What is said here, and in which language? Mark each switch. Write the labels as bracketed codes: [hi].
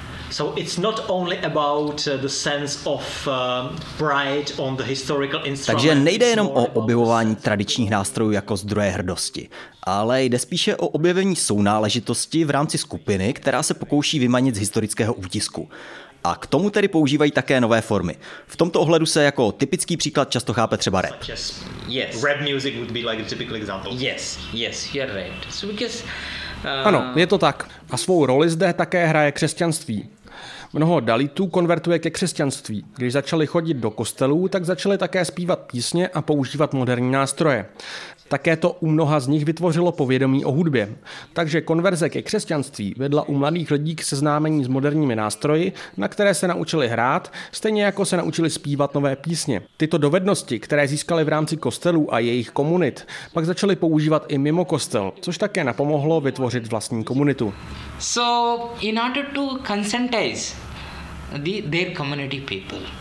[en] So it's not only about the sense of pride on the historical instrument. [cs] Takže nejde jenom o objevování tradičních nástrojů jako zdroje hrdosti, ale jde spíše o objevení sounáležitosti v rámci skupiny, která se pokouší vymanit z historického útisku. A k tomu tedy používají také nové formy. V tomto ohledu se jako typický příklad často chápe třeba rap. [en] Yes. Rap music would be like a typical example. Yes, you're right. So because [cs] Ano, je to tak. A svou roli zde také hraje křesťanství. Mnoho dalitů konvertuje ke křesťanství. Když začali chodit do kostelů, tak začali také zpívat písně a používat moderní nástroje. Také to u mnoha z nich vytvořilo povědomí o hudbě. Takže konverze ke křesťanství vedla u mladých lidí k seznámení s moderními nástroji, na které se naučili hrát, stejně jako se naučili zpívat nové písně. Tyto dovednosti, které získali v rámci kostelů a jejich komunit, pak začali používat i mimo kostel, což také napomohlo vytvořit vlastní komunitu. [en] So in order to conscientize their community people.